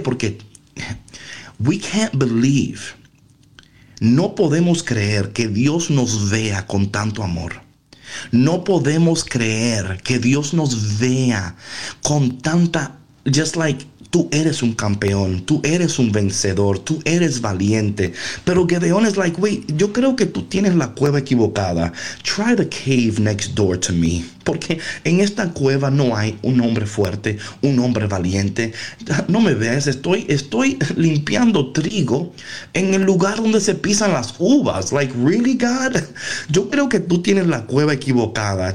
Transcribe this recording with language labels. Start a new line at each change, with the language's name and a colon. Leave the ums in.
Spanish: Porque
English: we can't believe,
Spanish: no podemos creer que Dios nos vea con tanto amor. No podemos creer que Dios nos vea con tanta,
English: just like
Spanish: tú eres un campeón, tú eres un vencedor, tú eres valiente. Pero Gedeón es
English: like, wait,
Spanish: yo creo que tú tienes la cueva equivocada.
English: Try the cave next door to me.
Spanish: Porque en esta cueva no hay un hombre fuerte, un hombre valiente. No me ves, estoy, estoy limpiando trigo en el lugar donde se pisan las uvas.
English: Like, really, God?
Spanish: Yo creo que tú tienes la cueva equivocada.